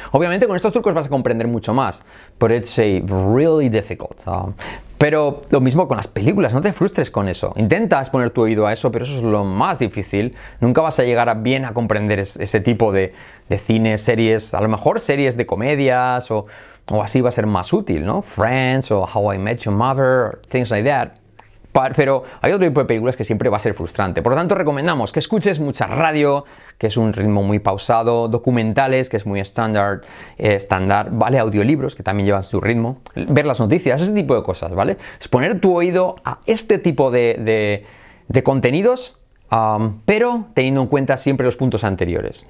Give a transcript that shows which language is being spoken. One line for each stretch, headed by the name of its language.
Spanish: Obviamente, con estos trucos vas a comprender mucho más.
English: But it's a really difficult.
Spanish: Pero lo mismo con las películas, no te frustres con eso. Intenta exponer tu oído a eso, pero eso es lo más difícil. Nunca vas a llegar a comprender ese tipo de cine, series, a lo mejor series de comedias o así va a ser más útil, ¿no?
English: Friends o How I Met Your Mother, things like that.
Spanish: Pero hay otro tipo de películas que siempre va a ser frustrante. Por lo tanto, recomendamos que escuches mucha radio, que es un ritmo muy pausado, documentales, que es muy estándar, ¿vale? Audiolibros, que también llevan su ritmo, ver las noticias, ese tipo de cosas, ¿vale? Exponer tu oído a este tipo de contenidos, pero teniendo en cuenta siempre los puntos anteriores.